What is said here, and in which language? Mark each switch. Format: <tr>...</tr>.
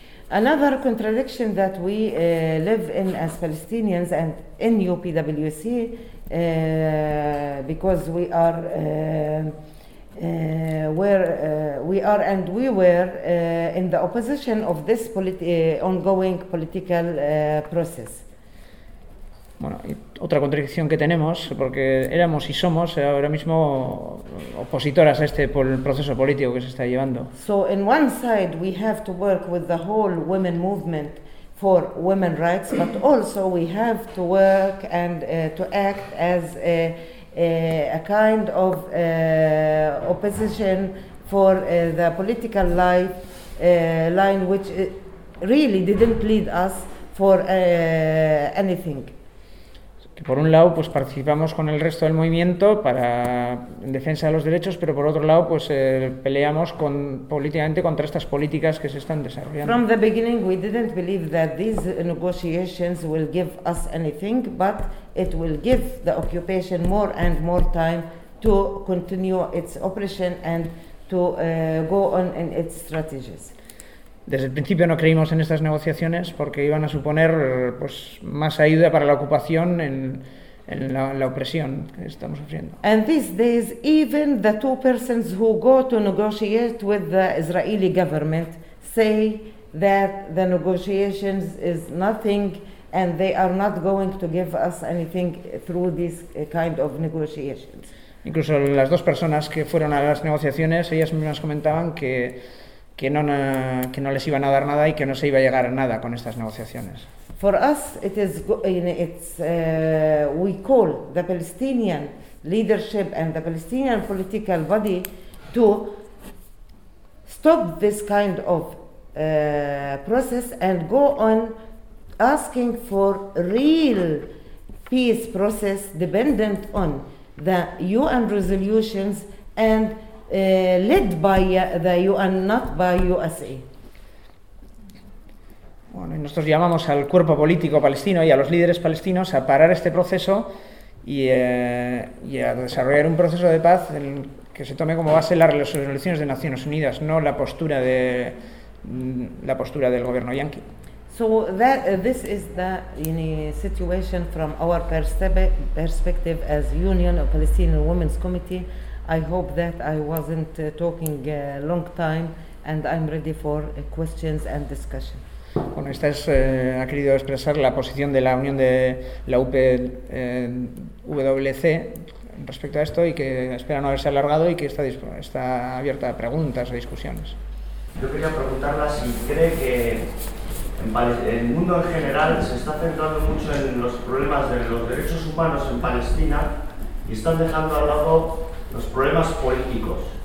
<en>Another contradiction that we live in as Palestinians and in UPWC, because we are we were in the opposition of this ongoing political process.</en> <es>Bueno, y otra contradicción que tenemos, porque éramos y somos ahora mismo opositoras a este proceso político que se está llevando.</es> <en>So in one side we have to work with the whole women movement for women rights, but also we have to work and to act as a kind of opposition for the political line which really didn't lead us for anything.</en> <es>Que por un lado pues participamos con el resto del movimiento para en defensa de los derechos, pero por otro lado pues peleamos políticamente contra estas políticas que se están desarrollando.</es> <en>From the beginning we didn't believe that these negotiations will give us anything, but it will give the occupation more and more time to continue its oppression and to go on in its strategies.</en> <es>Desde el principio no creímos en estas negociaciones porque iban a suponer pues más ayuda para la ocupación en la opresión que estamos sufriendo.</es> <en>And these days even the two persons who go to negotiate with the Israeli government say that the negotiations is nothing and they are not going to give us anything through this kind of negotiations.</en> <es>Incluso las dos personas que fueron a las negociaciones, ellas mismas comentaban que no les iban a dar nada y que no se iba a llegar a nada con estas negociaciones.</es> <en>For us it is we call the Palestinian leadership and the Palestinian political body to stop this kind of process and go on asking for real peace process dependent on the UN resolutions and led by the UN, not by USA.</en> <es>Bueno, nosotros llamamos al cuerpo político palestino y a los líderes palestinos a parar este proceso y a desarrollar un proceso de paz en que se tome como base las resoluciones de Naciones Unidas, no la postura del gobierno yanqui.</es> <en>So that this is the situation from our perspective as Union of Palestinian Women's Committee. I hope that I wasn't talking a long time and I'm ready for questions and discussion.</en> <es>Bueno, esta es ha querido expresar la posición de la Unión de la UP WC respecto a esto y que espera no haberse alargado y que está abierta a preguntas o discusiones. Yo quería preguntarla si cree que el mundo en general se está centrando mucho en los problemas de los derechos humanos en Palestina y están dejando al lado los problemas políticos.</es>